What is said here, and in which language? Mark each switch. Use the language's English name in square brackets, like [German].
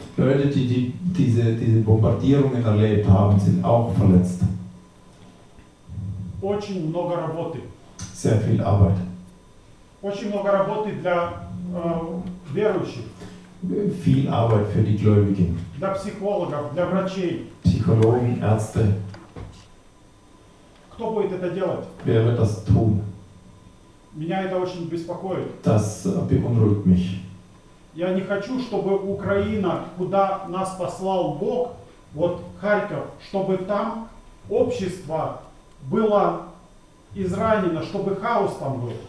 [German] Leute, die diese Bombardierungen erlebt haben, sind auch verletzt. [Russian] Очень много работы. [German] Sehr viel Arbeit. [Russian] Очень много работы для верующих. [German] Viel Arbeit für die Gläubigen. [Russian] Для психологов, для врачей. [German] Psychologen, Ärzte. [Russian] Кто будет это делать? [German] Wer wird das tun? [Russian] Меня это очень беспокоит. [German] Das beunruhigt mich. [Russian] Я не хочу, чтобы Украина, куда нас послал Бог, вот Харьков, чтобы там общество было изранено, чтобы хаос там был.